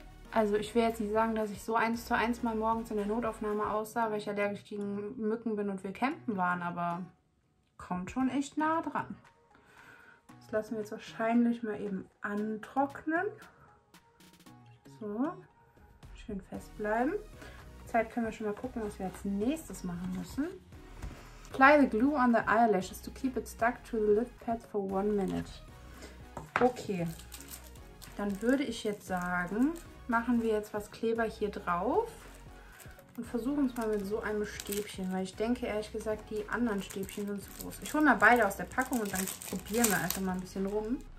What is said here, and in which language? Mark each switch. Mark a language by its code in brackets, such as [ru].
[de] Also ich will jetzt nicht sagen, dass ich so 1:1 mal morgens in der Notaufnahme aussah, weil ich allergisch gegen Mücken bin und wir campen waren, aber kommt schon echt nah dran. Das lassen wir jetzt wahrscheinlich mal eben antrocknen. So, schön festbleiben. Zeit können wir schon mal gucken, was wir als nächstes machen müssen. [en] Apply the glue on the eyelashes to keep it stuck to the lift pads for 1 minute. [de] Okay, dann würde ich jetzt sagen... Machen wir jetzt was Kleber hier drauf und versuchen es mal mit so einem Stäbchen, weil ich denke ehrlich gesagt, die anderen Stäbchen sind zu groß. Ich hole mal beide aus der Packung und dann probieren wir einfach mal ein bisschen rum.